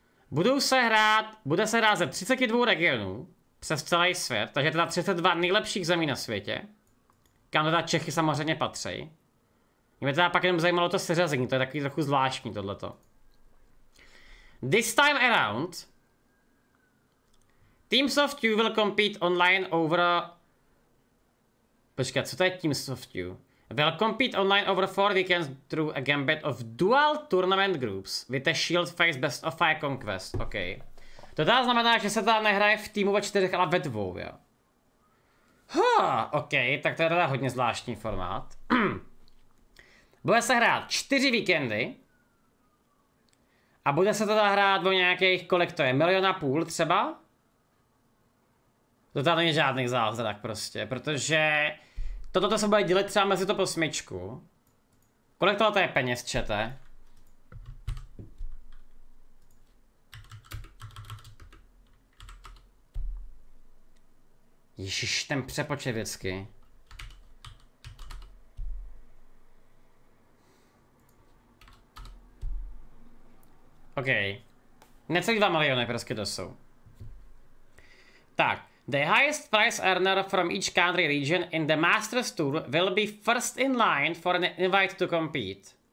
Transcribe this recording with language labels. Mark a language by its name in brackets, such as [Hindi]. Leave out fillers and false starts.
[Czech] Bude se hrát ze 32 regionů přes celý svět, takže teda 32 nejlepších zemí na světě, kam teda Čechy samozřejmě patří. Mě teda pak jenom zajímalo to seřazení, to je takový trochu zvláštní tohleto. [English] This time around, Teams of Two will compete online over... [Czech] Počkej, co to je [English] Teams of Two? Will compete online over 4 weekends through a gambit of dual tournament groups with a shield face best of 5 conquest. OK. [Czech] To teda znamená, že se teda nehraje v týmu ve čtyřech, ale ve dvou, jo. OK, tak to je teda hodně zvláštní formát. Bude se hrát 4 víkendy. A bude se teda hrát o nějakých, kolik to je, 1,5 milionu třeba? To teda není žádný zázrak prostě, protože... Toto se bude dělit třeba mezi to posmičku. Kolik tohle to je peněz, čete? Ježiš, ten přepočet vždycky. OK. Necelý 2 miliony prostě to jsou. Tak. [English] The highest prize earner from each country region in the Masters Tour will be first in line for an invite to compete.